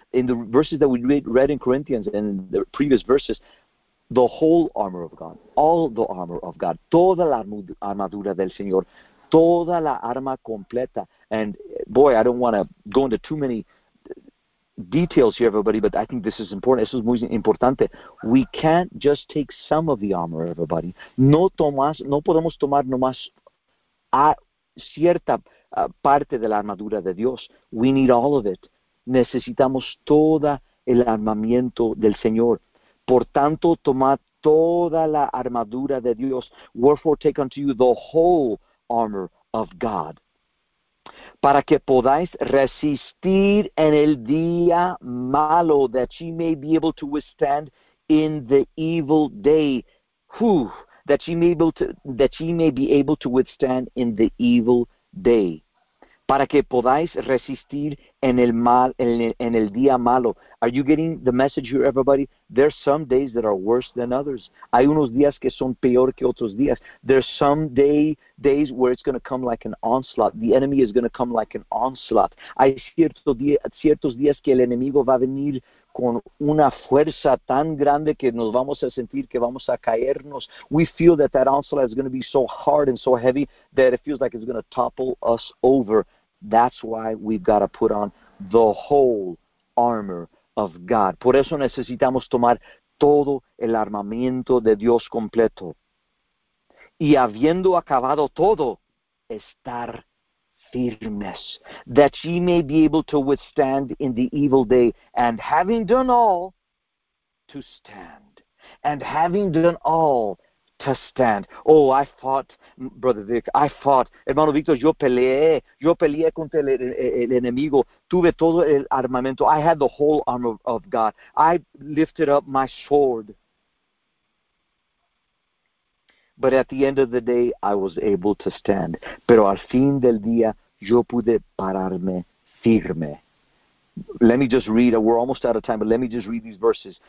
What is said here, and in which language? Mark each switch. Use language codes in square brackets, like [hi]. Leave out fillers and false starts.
[en] In the verses that we read in Corinthians and in the previous verses, the whole armor of God, all the armor of God, [es] toda la armadura del Señor, toda la arma completa. [en] And boy, I don't want to go into too many details here, everybody, but I think this is important. [es] Esto es muy importante. [en] We can't just take some of the armor, everybody. [es] No podemos tomar nomás a cierta parte de la armadura de Dios. [en] We need all of it. [es] Necesitamos toda el armamento del Señor. Por tanto, tomad toda la armadura de Dios. [en] Wherefore, take unto you the whole armor of God. [es] Para que podáis resistir en el día malo, [en] that ye may be able to withstand in the evil day. Whew, that ye may be able to withstand in the evil day. [es] Para que podáis resistir en el día malo. [en] Are you getting the message here, everybody? There are some days that are worse than others. [es] Hay unos días que son peor que otros días. [en] There's some days where it's going to come like an onslaught. The enemy is going to come like an onslaught. [es] Hay ciertos días que el enemigo va a venir con una fuerza tan grande que nos vamos a sentir que vamos a caernos. [en] We feel that that onslaught is going to be so hard and so heavy that it feels like it's going to topple us over. That's why we've got to put on the whole armor of God. [es] Por eso necesitamos tomar todo el armamento de Dios completo. Y habiendo acabado todo, estar firmes, [en] that ye may be able to withstand in the evil day, and having done all, to stand. And having done all, to stand. Oh, I fought, Brother Vic, I fought. [es] Hermano Victor, yo peleé contra el enemigo. Tuve todo el armamento. [en] I had the whole armor of God. I lifted up my sword. But at the end of the day, I was able to stand. [es] Pero al fin del día, yo pude pararme firme. [en] Let me just read, we're almost out of time, but let me just read these verses.